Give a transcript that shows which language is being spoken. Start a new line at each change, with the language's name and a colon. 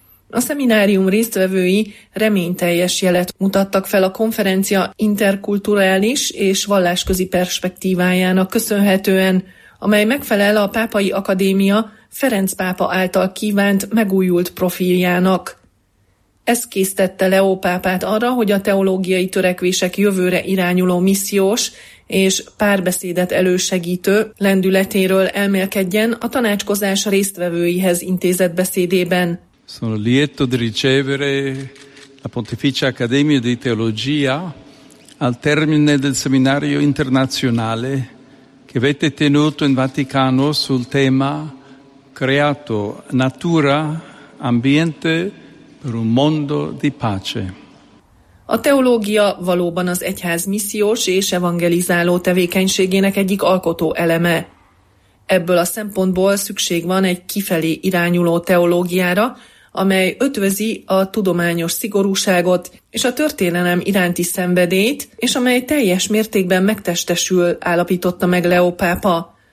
Hungarian: A szeminárium résztvevői reményteljes jelet mutattak fel a konferencia interkulturális és vallásközi perspektívájának köszönhetően, amely megfelel a Pápai Akadémia Ferenc pápa által kívánt megújult profiljának. Ez késztette Leó pápát arra, hogy a teológiai törekvések jövőre irányuló missziós és párbeszédet elősegítő lendületéről elmélkedjen a tanácskozás résztvevőihez intézett beszédében.
Italian: Sono lieto di ricevere la Pontificia Accademia di Teologia al termine del seminario internazionale che avete tenuto in Vaticano sul tema Creato natura, ambiente per un mondo di pace.
Hungarian: A teológia valóban az egyház missziós és evangelizáló tevékenységének egyik alkotó eleme. Ebből a szempontból szükség van egy kifelé irányuló teológiára, amely ötvözi a tudományos szigorúságot és a történelem iránti szenvedélyt, és amely teljes mértékben megtestesül, állapította meg Leó pápa.